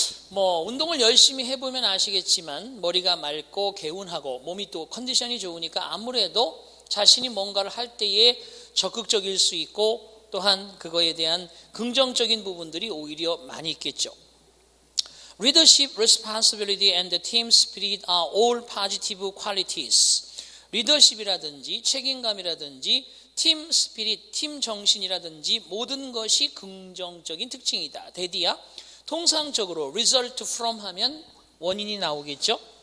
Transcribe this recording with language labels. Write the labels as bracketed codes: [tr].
[ko] 뭐 운동을 열심히 해보면 아시겠지만 머리가 맑고 개운하고 몸이 또 컨디션이 좋으니까 아무래도 자신이 뭔가를 할 때에 적극적일 수 있고 또한 그거에 대한 긍정적인 부분들이 오히려 많이 있겠죠. [en] Leadership, responsibility and team spirit are all positive qualities. [ko] 리더십이라든지 책임감이라든지 팀 스피릿, 팀 정신이라든지 모든 것이 긍정적인 특징이다. 대디야, 통상적으로 result from 하면 원인이 나오겠죠?